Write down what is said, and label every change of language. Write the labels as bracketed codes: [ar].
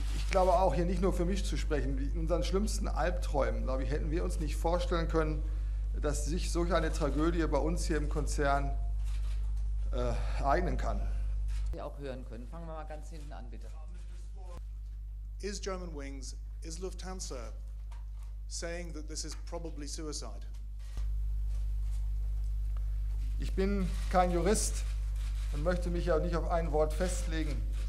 [de] glaube auch, hier nicht nur für mich zu sprechen, in unseren schlimmsten Albträumen, glaube ich, hätten wir uns nicht vorstellen können, dass sich solch eine Tragödie bei uns hier im Konzern ereignen kann. Sie auch hören können. Fangen wir mal ganz hinten an, bitte. [en] Is Germanwings, is Lufthansa saying that this is probably suicide? [de] Ich bin kein Jurist und möchte mich ja nicht auf ein Wort festlegen.